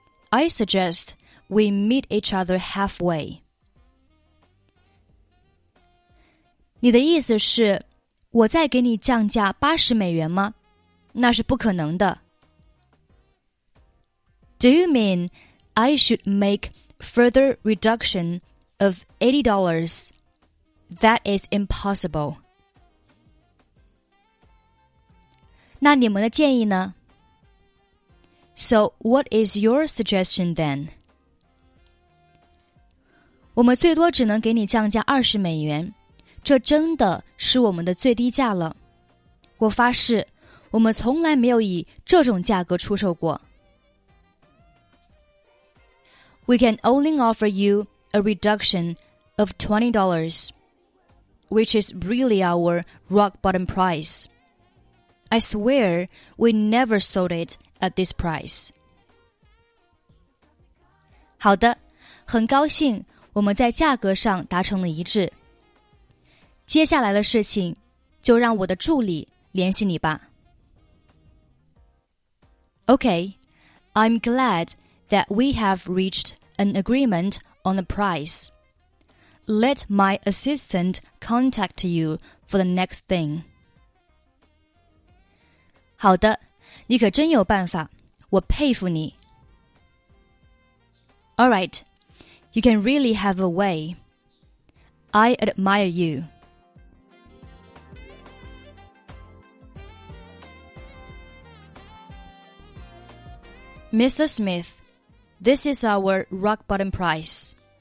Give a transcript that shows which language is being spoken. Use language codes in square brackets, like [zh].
[en] I suggest we meet each other halfway. [zh] 你的意思是我再给你降价80美元吗？那是不可能的。 [en] Do you mean I should make further reduction of $80? That is impossible. [zh] 那你们的建议呢？ [en] So what is your suggestion then? [zh] 我们最多只能给你降价20美元，这真的是我们的最低价了。我发誓，我们从来没有以这种价格出售过。 [en] We can only offer you a reduction of $20, which is really our rock bottom price. I swear we never sold it at this price. [zh] 好的，很高兴我们在价格上达成了一致。接下来的事情就让我的助理联系你吧。 [en] Okay, I'm glad that we have reached an agreement on the price. Let my assistant contact you for the next thing. [zh] 好的，你可真有办法，我佩服你。 [en] All right, you can really have a way. I admire you. Mr. Smith, this is our rock-bottom price.